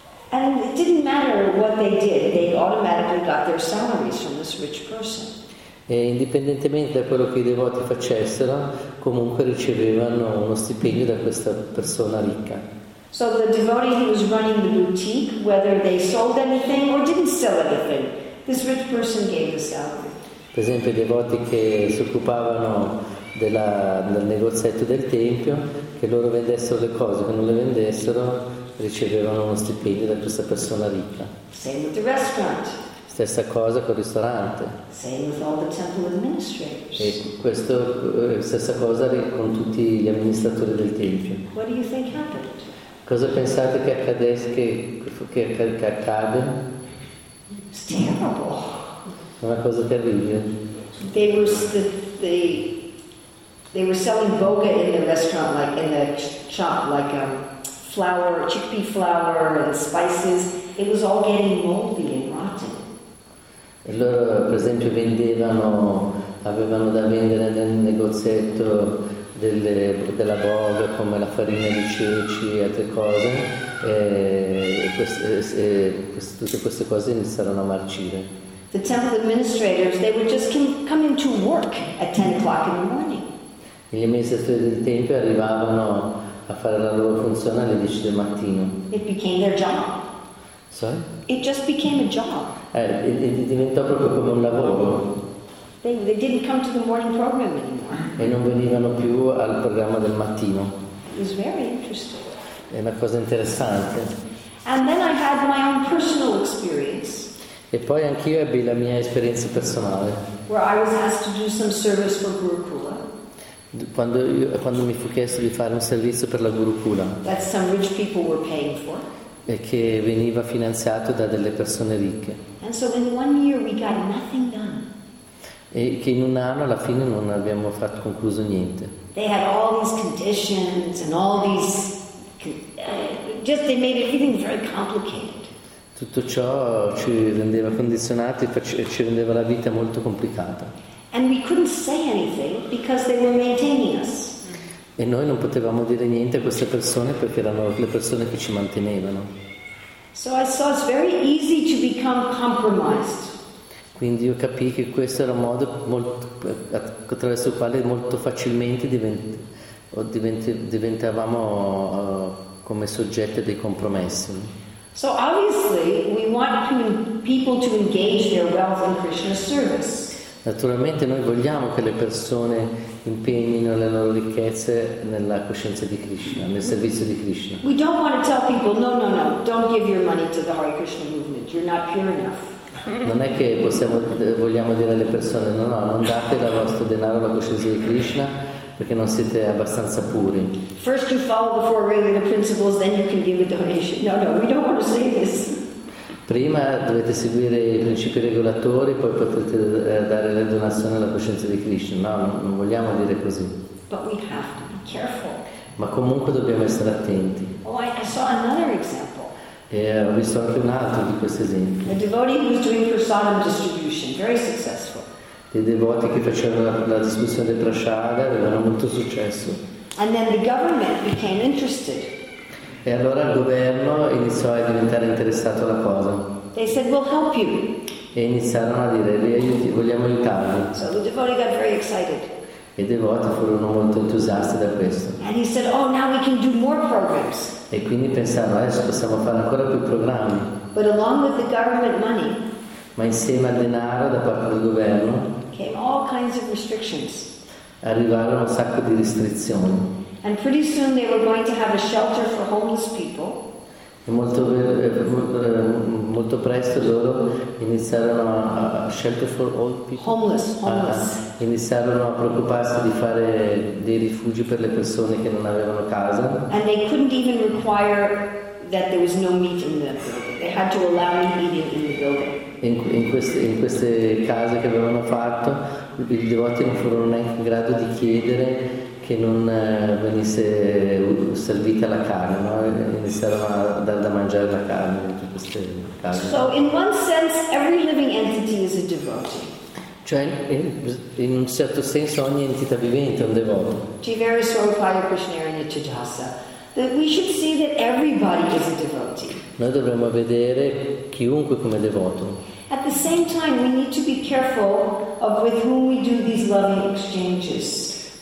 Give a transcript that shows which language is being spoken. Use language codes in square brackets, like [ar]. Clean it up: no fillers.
[en] And it didn't matter what they did, they automatically got their salaries from this rich person. [it] E indipendentemente da quello che i devoti facessero, comunque ricevevano uno stipendio da questa persona ricca. [en] So the devotee who was running the boutique, whether they sold anything or didn't sell anything, this rich person gave the salary. [it] Per esempio, i devoti che si occupavano del negozietto del tempio, che loro vendessero le cose, che non le vendessero, ricevevano uno stipendio da questa persona ricca. [en] Same with the restaurant. [it] Stessa cosa col ristorante. [en] Same with all the temple administrators. [it] E questo stessa cosa con tutti gli amministratori del tempio. [en] What do you think happened? [it] Cosa pensate che accadesse, che accade? [en] It's terrible. [it] Una cosa terribile. [en] They were selling boga in the restaurant, like in the shop, like a flour, chickpea flour and spices. It was all getting moldy and rotten. [it] E loro, per esempio, avevano da vendere nel negozietto della boga, come la farina di ceci e altre cose, tutte queste cose iniziarono a marcire. [en] The temple administrators, they were just coming to work at 10 o'clock in the morning. [it] E gli amministratori del tempio arrivavano a fare la loro funzione alle 10 del mattino. [en] It became their job. Sorry? It just became a job. [it] Diventò proprio come un lavoro. [en] They didn't come to the morning program anymore. [it] E non venivano più al programma del mattino. [en] was very interesting. [it] È una cosa interessante. [en] And then I had my own personal experience. [it] E poi anch'io ebbi la mia esperienza personale. [en] Where I was asked to do some service for Gurukula. [it] Quando mi fu chiesto di fare un servizio per la Gurukula. [en] That some rich people were paying for. [it] E che veniva finanziato da delle persone ricche. [en] And so in one year we got nothing done. [it] E che in un anno alla fine non abbiamo fatto concluso niente. [en] They had all these conditions and all these. Just they made everything very complicated. [it] Tutto ciò ci rendeva condizionati e ci rendeva la vita molto complicata. [en] And we couldn't say anything because they were maintaining us. [it] E noi non potevamo dire niente a queste persone perché erano le persone che ci mantenevano. [en] So I saw it's very easy to become compromised. [it] Quindi io capii che questo era un modo molto, attraverso il quale molto facilmente diventavamo come soggetti dei compromessi. [en] So obviously we want people to engage their wealth in Krishna's service. [it] Naturalmente noi vogliamo che le persone impegnino le loro ricchezze nella coscienza di Krishna, nel servizio di Krishna. [en] We don't want to tell people no, don't give your money to the Hare Krishna movement, you're not pure enough. [it] Non è che vogliamo dire alle persone no, non date il vostro denaro alla coscienza di Krishna perché non siete abbastanza puri. [en] First you follow the four regular principles, then you can give a donation. No, we don't want to say this. [it] Prima dovete seguire i principi regolatori, poi potete dare la donazione alla coscienza di Krishna. No, non vogliamo dire così. [en] But we have to be careful. [it] Ma comunque dobbiamo essere attenti. [en] Oh, I saw another example. [it] E ho visto anche un altro di questi esempi. [en] A devotee who was doing prasadam distribution, very successful. [it] Dei devoti che facevano la distribuzione del prasada avevano molto successo. [en] And then the government became interested. [it] E allora il governo iniziò a diventare interessato alla cosa. [en] They said, we'll help you. [it] E iniziarono a dire, vogliamo aiutarvi. [en] So the devotee got very excited. [it] E i devoti furono molto entusiasti da questo. [en] And he said, oh, now we can do more programs. [it] E quindi pensavano, adesso possiamo fare ancora più programmi. [en] But along with the government money, [it] ma insieme al denaro da parte del governo [en] came all kinds of restrictions. [it] Arrivarono un sacco di restrizioni. [en] And pretty soon they were going to have a shelter for homeless people. [it] E molto presto loro iniziarono a [en] shelter for old people. Homeless. [it] Iniziarono a preoccuparsi di fare dei rifugi per le persone che non avevano casa. [en] And they couldn't even require that there was no meat in the building. They had to allow meat in the building. [it] In queste case che avevano fatto, i devoti non furono neanche in grado di chiedere che non venisse servita la carne, no? Iniziarono a dar da mangiare la carne in tutte queste case. [en] So in one sense every living entity is a devotee. [it] Cioè, in un certo senso ogni entità vivente è un devoto. [bn] Jivara Swarupaya Krishnara Nityajasa. [en] That we should see that everybody is a devotee. [it] Noi dovremmo vedere chiunque come devoto. [en] At the same time, we need to be careful of with whom we do these loving exchanges.